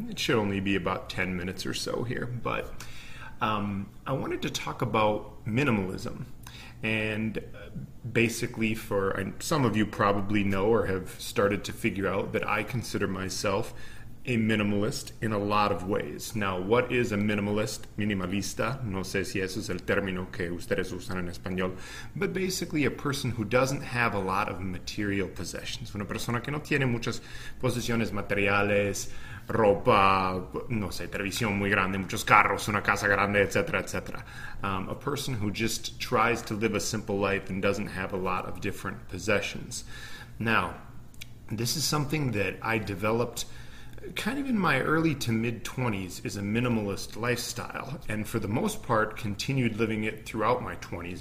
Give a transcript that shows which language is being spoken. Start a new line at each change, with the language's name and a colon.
English: It should only be about 10 minutes or so here. But I wanted to talk about minimalism. And basically, for some of you probably know or have started to figure out that I consider myself a minimalist in a lot of ways. Now, what is a minimalist? Minimalista.
Spanish: No sé si eso es el término que ustedes usan en español.
English: But basically, a person who doesn't have a lot of material possessions.
Spanish: Una persona que no tiene muchas posesiones materiales, ropa, no sé, televisión muy grande, muchos carros, una casa grande, etc., etc.
English: A person who just tries to live a simple life and doesn't have a lot of different possessions. Now, this is something that I developed kind of in my early to mid-20s, is a minimalist lifestyle, and for the most part continued living it throughout my 20s.